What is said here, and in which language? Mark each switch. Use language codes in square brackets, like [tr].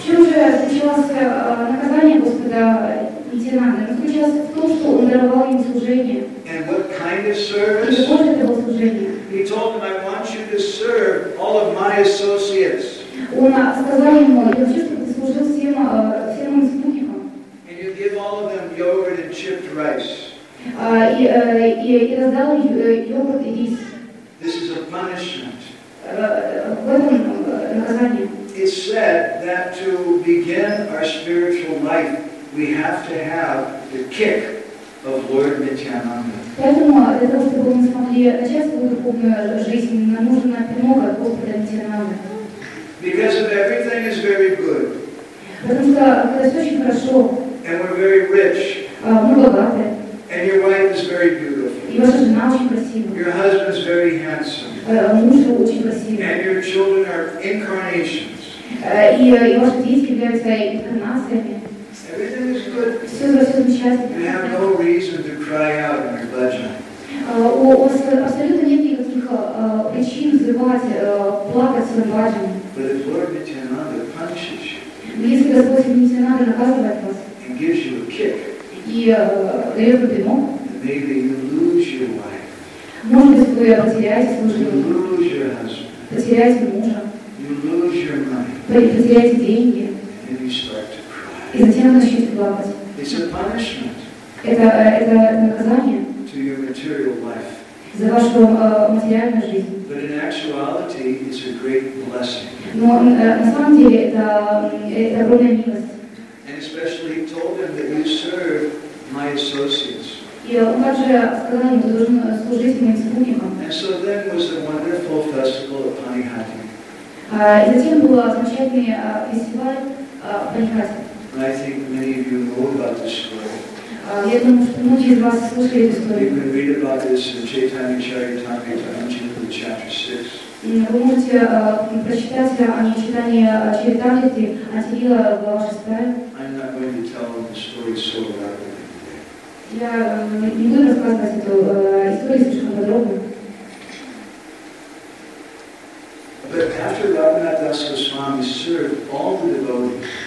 [ru] Чем же заключалось наказание Господа Нитянанды? Заключалось в том, что он даровал им служение. [en] And what kind of service? [ru] Какое это было служение? [en] He told him, I want you to serve all of my associates. [ru] Он сказал ему, я хочу, чтобы ты служил всем моим спутникам. [en] And you give all of them yogurt and chipped rice. [ru] И раздал им йогурт и рис. [en] This is a punishment. It's said that to begin our spiritual life, we have to have the kick of Lord Nityananda. [ru] Поэтому для того, чтобы мы смогли начать свою духовную жизнь, нам нужно пинок от Господа Нитянанды. [en] Because if everything is very good, [ru] потому что когда все очень хорошо, [en] and we're very rich, [ru] мы богаты, [en] and your wife is very beautiful, [ru] и ваша жена очень красивая, [en] your husband is very handsome. [ru] Муж был очень красивый. [en] And your children are incarnations. [ru] И ваши дети являются инкарнациями. [en] Everything is good. [ru] Все замечательно. [en] You have no reason to cry out in your bhajan. [ru] У вас абсолютно нет никаких причин взрывать, плакать в своем bhajan. [en] But if Lord Nityananda punishes you. [ru] Но если Господь Нитянанда наказывает вас. [en] And gives you a kick. [ru] И дает вам пинок. [en] And maybe you lose your wife. [ru] Может быть, вы потеряете служение, потеряете мужа, [en] you lose your money. [ru] Потеряете деньги, [en] and you start to cry. [ru] И затем начнете плакать. [en] It's a punishment. [ru] Это наказание [en] to your material life. [ru] За вашу материальную жизнь. [en] But in actuality, it's a great blessing. [ru] Но на самом деле это огромная милость. [en] And especially told him that you serve my associates. [ru] И он также сказал, что должен служить моим спутникам. [en] And so then was a wonderful festival of Panihati. [ru] И затем был замечательный фестиваль Панихати. [en] I think many of you know about this story. [ru] Я думаю, что многие из вас слушали эту историю. [en] You can read about this in Chaitanya Charitamrita, Anjanapati, chapter 6. [ru] Вы можете прочитать о Чайтанье Чаритамрите, Антилила, глава 6. [en] I'm not going to tell the story so well. [ru] Я не буду рассказывать эту историю слишком подробно. [en] But after Raghunath Das Goswami served all the devotees,